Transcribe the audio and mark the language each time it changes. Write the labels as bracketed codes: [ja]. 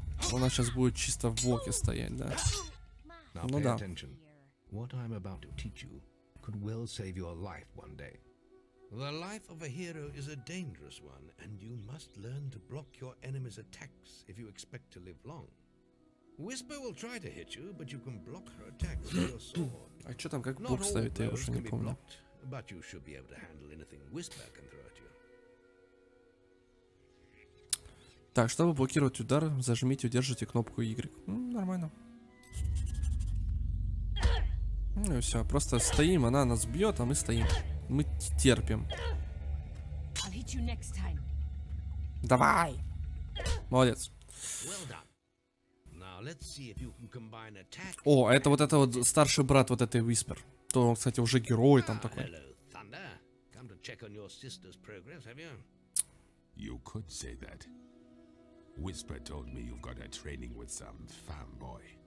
[ru] У нас сейчас будет чисто в боке стоять, да? Ну да. [en] What I'm about to teach you could well save your life one day. The life of a hero is a dangerous one, and you must learn to block your enemy's attacks if you expect to live long. Whisper will try to hit you, but you can block her attacks with your sword. [ru] А что там, как блок ставить, я уже не помню. [en] Blocked, but you should be able to handle anything Whisper can throw at you. [ru] Так, чтобы блокировать удар, зажмите, удержите кнопку Y. Нормально. Ну и все, просто стоим, она нас бьет, а мы стоим. Мы терпим. [en] I'll hit you next time. [ru] Давай! Молодец. [en] Well done. Now let's see if you can combine attack. [ru] О, это вот это вот старший брат вот этой Whisper. То он, кстати, уже герой там такой. [en] Hello, Thunder. Come to check on your sister's progress, have you? You could say that. Whisper told me you've got a training with some fanboy.